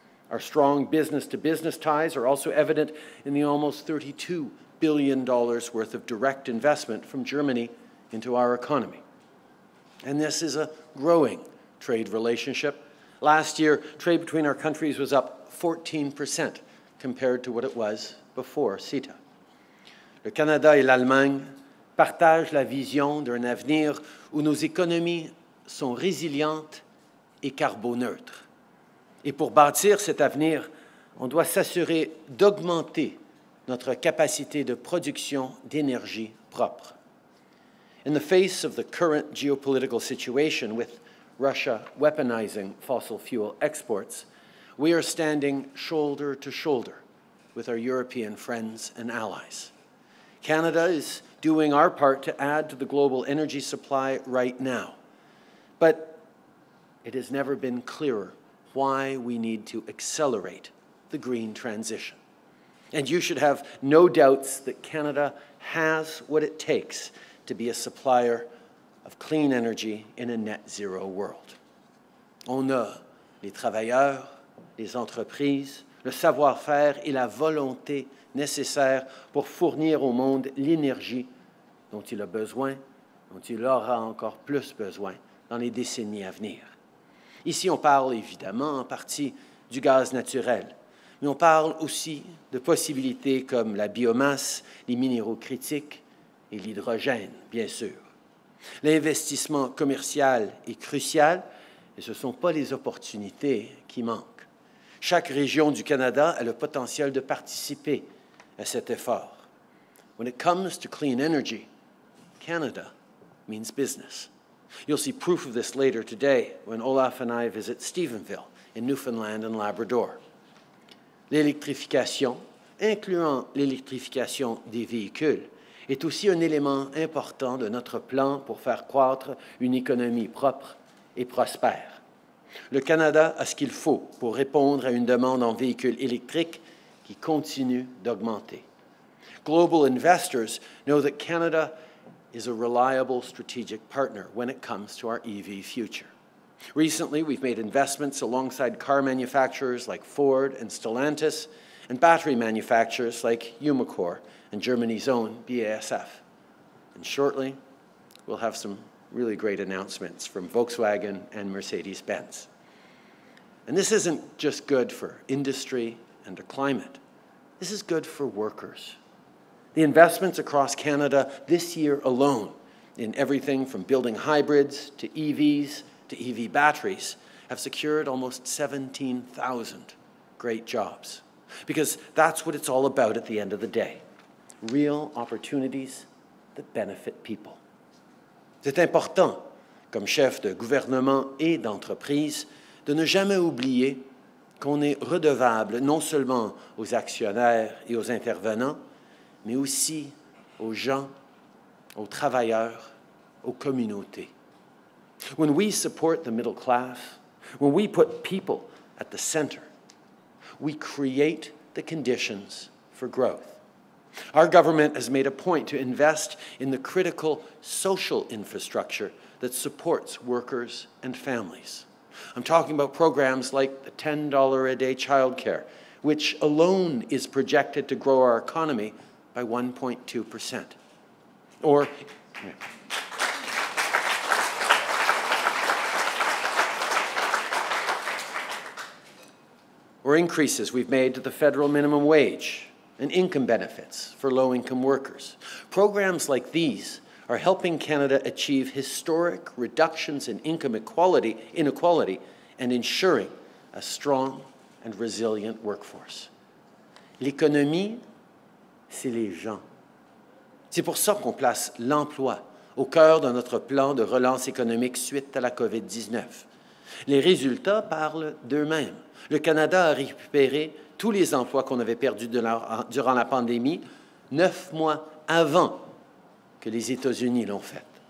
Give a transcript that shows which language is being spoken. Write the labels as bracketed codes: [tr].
[en] Our strong business-to-business ties are also evident in the almost $32 billion worth of direct investment from Germany into our economy. And this is a growing trade relationship. Last year, trade between our countries was up 14% compared to what it was before CETA. [fr] Le Canada et l'Allemagne partagent la vision d'un avenir où nos économies sont résilientes et carboneutres. Et pour bâtir cet avenir, on doit s'assurer d'augmenter notre capacité de production d'énergie propre. [en] In the face of the current geopolitical situation with Russia weaponizing fossil fuel exports, we are standing shoulder to shoulder with our European friends and allies. Canada is doing our part to add to the global energy supply right now. But it has never been clearer why we need to accelerate the green transition. And you should have no doubts that Canada has what it takes to be a supplier of clean energy in a net zero world. [fr] On a les travailleurs, les entreprises, le savoir-faire et la volonté nécessaire pour fournir au monde l'énergie dont il a besoin, dont il aura encore plus besoin dans les décennies à venir. Ici, on parle évidemment en partie du gaz naturel, mais on parle aussi de possibilités comme la biomasse, les minéraux critiques et l'hydrogène, bien sûr. L'investissement commercial est crucial et ce ne sont pas les opportunités qui manquent. Chaque région du Canada a le potentiel de participer à cet effort. [en] When it comes to clean energy, Canada means business. You'll see proof of this later today when Olaf and I visit Stephenville in Newfoundland and Labrador. [fr] L'électrification, incluant l'électrification des véhicules, est aussi un élément important de notre plan pour faire croître une économie propre et prospère. Le Canada a ce qu'il faut pour répondre à une demande en véhicules électriques qui continue d'augmenter. [en] Global investors know that Canada is a reliable strategic partner when it comes to our EV future. Recently, we've made investments alongside car manufacturers like Ford and Stellantis, and battery manufacturers like Umicore and Germany's own BASF. And shortly, we'll have some really great announcements from Volkswagen and Mercedes-Benz. And this isn't just good for industry and the climate. This is good for workers. The investments across Canada this year alone in everything from building hybrids to EVs to EV batteries have secured almost 17,000 great jobs. Because that's what it's all about at the end of the day. Real opportunities that benefit people. [fr] C'est important, comme chef de gouvernement et d'entreprise, de ne jamais oublier qu'on est redevable non seulement aux actionnaires et aux intervenants, mais aussi aux gens, aux travailleurs, aux communautés. [en] When we support the middle class, when we put people at the center, we create the conditions for growth. Our government has made a point to invest in the critical social infrastructure that supports workers and families. I'm talking about programs like the $10 a day childcare, which alone is projected to grow our economy by 1.2%. Or, increases we've made to the federal minimum wage and income benefits for low-income workers. Programs like these are helping Canada achieve historic reductions in income inequality and ensuring a strong and resilient workforce. [fr] L'économie, c'est les gens. C'est pour ça qu'on place l'emploi au cœur de notre plan de relance économique suite à la COVID-19. Les résultats parlent d'eux-mêmes. Le Canada a récupéré tous les emplois qu'on avait perdus durant la pandémie 9 mois avant que les États-Unis l'ont fait.